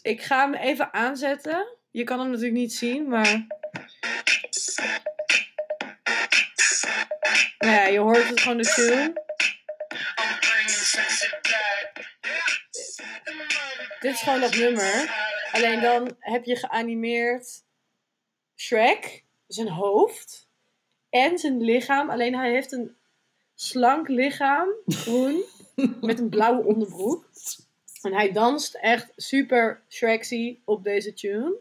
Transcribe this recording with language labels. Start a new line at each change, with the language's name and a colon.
Dutch: Ik ga hem even aanzetten. Je kan hem natuurlijk niet zien, maar... Nou ja, je hoort het gewoon de tune.
English: I'm bringing Shreksy back.
Dutch: Dit is gewoon dat nummer. Alleen dan heb je geanimeerd Shrek, zijn hoofd en zijn lichaam. Alleen hij heeft een slank lichaam, groen. Met een blauwe onderbroek. En hij danst echt super Shreksy op deze tune.